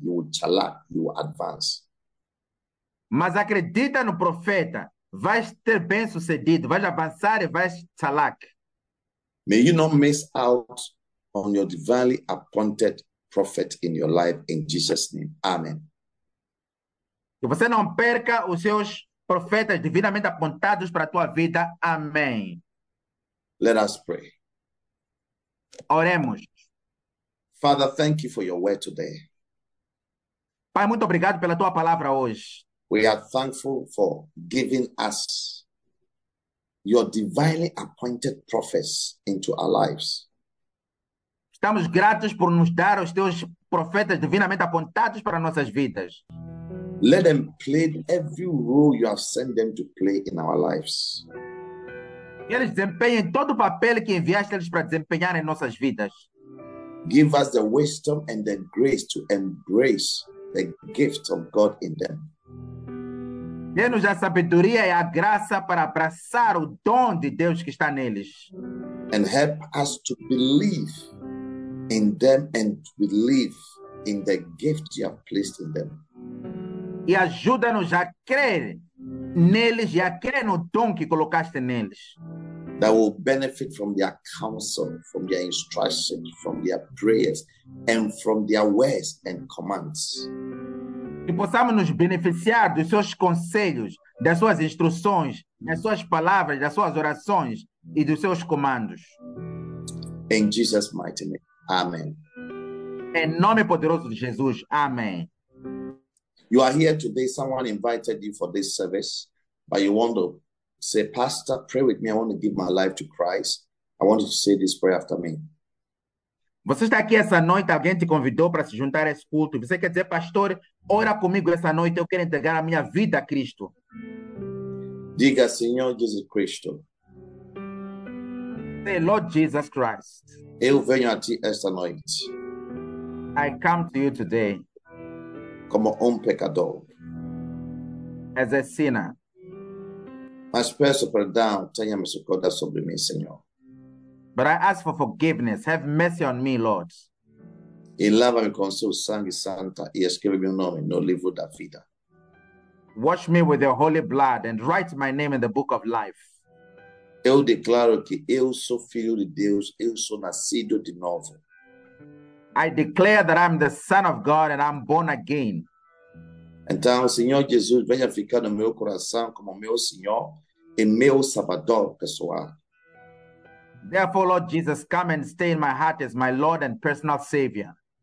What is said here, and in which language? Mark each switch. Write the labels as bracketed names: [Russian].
[English] You will chalak, you will advance. [Portuguese] Mas acredita no profeta, vais ter bem sucedido, vais avançar e vais chalak. [English] May you not miss out on your divinely appointed prophet in your life in Jesus' name. Amen. [Portuguese] Que você não perca os seus profetas divinamente apontados para a tua vida. Amém. [English] Let us pray. [Portuguese] Oremos. [English] Father, thank you for your word today. [Portuguese] Pai, muito obrigado pela tua palavra hoje. [English] We are thankful for giving us your divinely appointed prophets into our lives. [Portuguese] Estamos gratos por nos dar os teus profetas divinamente apontados para nossas vidas. [English] Let them play every role you have sent them to play in our lives. [Portuguese] Que eles desempenhem todo o papel que enviaste eles para desempenhar em nossas vidas. [English] Give us the wisdom and the grace to embrace the gifts of God in them. [Portuguese] Dê-nos a sabedoria e a graça para abraçar o dom de Deus que está neles. [English] And help us to believe in them and believe in the gift you have placed in them. [Portuguese] E ajuda-nos a crer neles e a crer no dom que colocaste neles. [English] That will benefit from their counsel, from their instruction, from their prayers, and from their words and commands. [Portuguese] Que possamos nos beneficiar dos seus conselhos, das suas instruções, das suas palavras, das suas orações e dos seus comandos. [English] In Jesus' mighty name. Amen. [Portuguese] Em nome poderoso de Jesus. Amém. [English] You are here today. Someone invited you for this service, but you want to say, Pastor, pray with me. I want to give my life to Christ. I want you to say this prayer after me. [Portuguese] Você está aqui essa noite, alguém te convidou para se juntar a esse culto. Você quer dizer, pastor, ora comigo essa noite, eu quero entregar a minha vida a Cristo. Diga, Senhor Jesus Cristo. [English] Say, Lord Jesus Christ. [Portuguese] Eu venho a ti esta noite. [English] I come to you today. [Portuguese] Como pecador. [English] As a sinner. [Portuguese] Mas peço perdão, tenha misericórdia sobre mim, Senhor. [English] But I ask for forgiveness. Have mercy on me, Lord. [Portuguese] E lava-me com seu sangue santa e escreve meu nome no livro da vida. [English] Wash me with your holy blood and write my name in the book of life. [Portuguese] Eu declaro que eu sou filho de Deus, eu sou nascido de novo. [English] I declare that I'm the son of God and I'm born again. [Portuguese] Então, Senhor Jesus, venha ficar no meu coração como meu Senhor e meu Salvador pessoal. [English] Therefore, Lord Jesus, come and stay in my heart as my Lord and personal Savior.